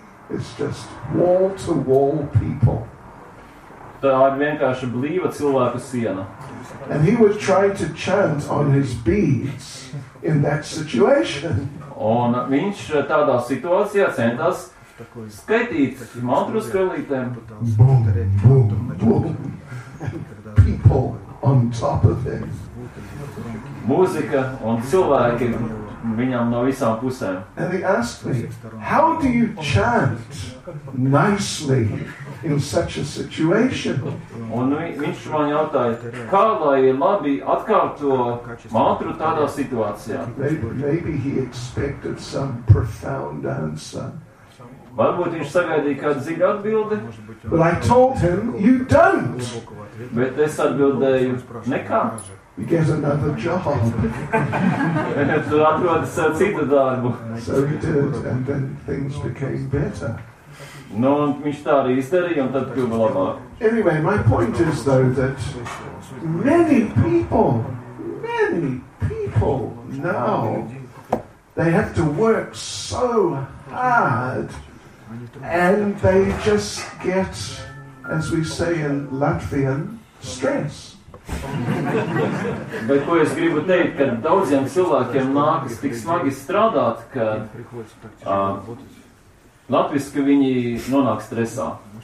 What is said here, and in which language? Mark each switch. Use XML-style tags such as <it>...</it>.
<en>It's just wall-to-wall people.</en> <lv>Tā ir vienkārši blīva cilvēka siena.</lv> <en>And he was trying to chant on his beads in that situation.</en> <lv>Un viņš tādā situācijā centās skaitīt mantru skrelītēm.</lv> <en>Boom, boom, boom. People on top of him.</en> <lv>Mūzika un cilvēki viņam no visām pusēm.</lv> <en>And he asked me, how do you chant nicely in such a situation?</en> <lv>Un viņš man jautāja, kā lai labi atkārto mantru tādā situācijā?</lv> <en>Maybe he expected some profound answer.</en> <lv>Varbūt viņš sagaidīja kādu dziļu atbildi.</lv> <en>But I told him, you don't.</en> <lv>Bet es atbildēju, nekā.</lv> <en>You get another job.</en> <lv>Tu atrodi savu citu darbu.</lv> <en>So he did, and then things became better.</en> <lv>Nu, viņš tā arī izdarīja, un tad kļuva labāk.</lv> <en>Anyway, my point is, though, that many people now, they have to work so hard, and they just get, as we say in Latvian, stress.</en> <lv>Bet ko es gribu teikt, ka daudziem cilvēkiem nākas tik smagi strādāt, ka latviski viņi nonāk stresā.</lv>